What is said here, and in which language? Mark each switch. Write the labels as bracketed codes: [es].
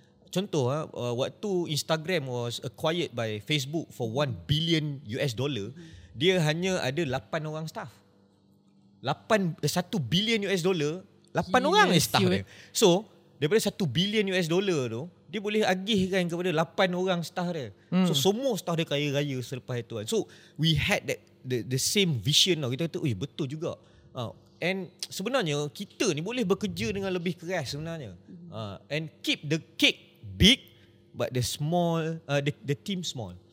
[ms] Contoh, waktu Instagram [en] was acquired by Facebook for $1 billion, [ms] dia hanya ada 8 orang staff. 1 bilion US dollar, 8 orang ni staff dia. So, daripada 1 bilion US dollar tu, dia boleh agihkan kepada 8 orang staff dia. So, semua staff dia kaya raya selepas itu. [en] So, we had that the same vision tau. [ms] Kita kata, "Uy, betul juga." And sebenarnya, kita ni boleh bekerja dengan lebih keras sebenarnya. [en] And keep the cake big, but the small, the team small.